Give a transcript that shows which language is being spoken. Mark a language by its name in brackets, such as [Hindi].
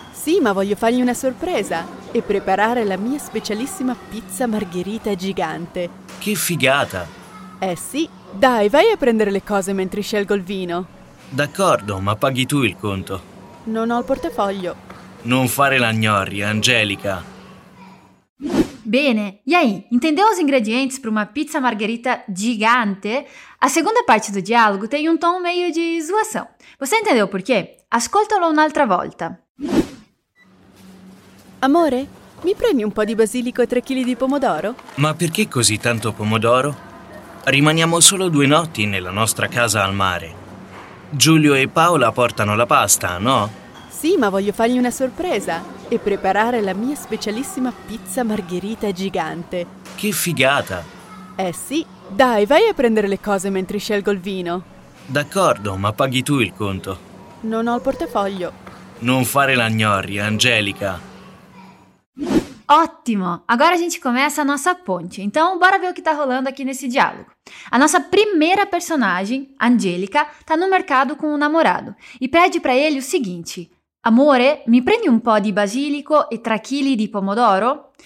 [Italian] Sì, ma voglio fargli una sorpresa e preparare la mia specialissima pizza margherita gigante. Che figata! Eh sì, dai, vai a prendere le cose mentre scelgo il vino. D'accordo, ma paghi tu il conto. Non ho il portafoglio. Non fare la gnorri, Angelica. [Portuguese] Bene, e aí, entendeu os ingredientes para uma pizza margherita gigante? A segunda parte do diálogo tem um tom meio de zoação. Você entendeu por quê? [Italian] Ascoltalo un'altra volta. Amore, mi prendi un po' di basilico e 3 kg di pomodoro? Ma perché così tanto pomodoro? Rimaniamo solo 2 notti nella nostra casa al mare. Giulio e Paola portano la pasta, no? Sì, ma voglio fargli una sorpresa e preparare la mia specialissima pizza margherita gigante. Che figata! Eh sì, dai, vai a prendere le cose mentre scelgo il vino. D'accordo, ma paghi tu il conto. Non ho il portafoglio. Non fare la gnorri, Angelica. Ottimo! [Portuguese] Agora a gente começa a nossa ponte, então bora ver o que tá rolando aqui nesse diálogo. A nossa primeira personagem, Angelica, tá no mercado com o namorado e pede pra ele o seguinte: [Italian] amore, mi prendi un po' di basilico e 3 kg di pomodoro?